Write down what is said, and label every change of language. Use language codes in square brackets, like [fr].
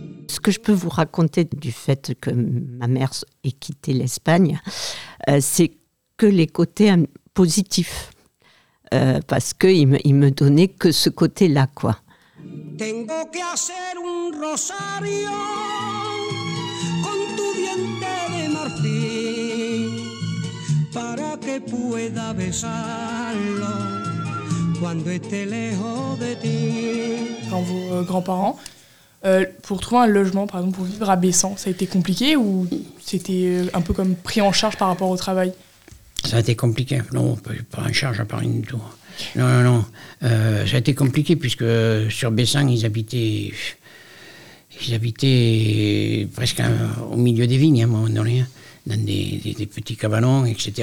[fr] Ce que je peux vous raconter du fait que ma mère ait quitté l'Espagne, c'est que les côtés positifs. Parce qu'il ne me donnait que ce côté-là, quoi. [es] Tengo que hacer un rosario con tu diente de marfil para que pueda besarlo cuando esté lejos de ti. [fr] Quand vos grands-parents, pour trouver un logement, par exemple, pour vivre à Bessan, ça a été compliqué ou c'était un peu comme pris en charge par rapport au travail? Ça a été compliqué. Non, pas en charge à Paris du tout. Non. Ça a été compliqué puisque sur Bessin, ils habitaient presque au milieu des vignes, à un moment donné, dans des petits cabanons, etc.